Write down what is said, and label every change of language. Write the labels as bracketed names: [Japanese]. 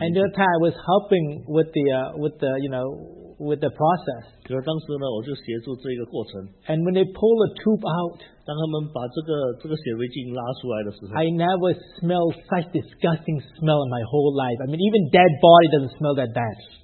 [English] And the time I was helping with the process. [Chinese] 可是当时呢，我就协助这个过程。 [English] And when they pull the tube out. [Chinese] 当他们把这个显微镜拉出来的时候， [English] I never smell such disgusting smell in my whole life. I mean, even dead body doesn't smell that bad.